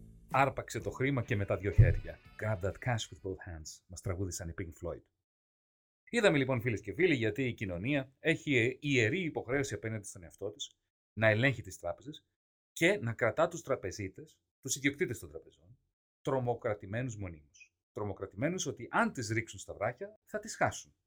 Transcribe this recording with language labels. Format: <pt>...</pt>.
<el>Άρπαξε το χρήμα και με τα δύο χέρια.</el> <en>Grab that cash with both hands,</en> <el>μας τραγούδησαν οι Pink Floyd. Είδαμε λοιπόν, φίλες και φίλοι, γιατί η κοινωνία έχει ιερή υποχρέωση απέναντι στον εαυτό της να ελέγχει τις τράπεζες και να κρατά τους τραπεζίτες, τους ιδιοκτήτες των τραπεζών, τρομοκρατημένους μονίμως. Τρομοκρατημένους ότι αν τις ρίξουν στα βράχια, θα τις χάσουν.</el>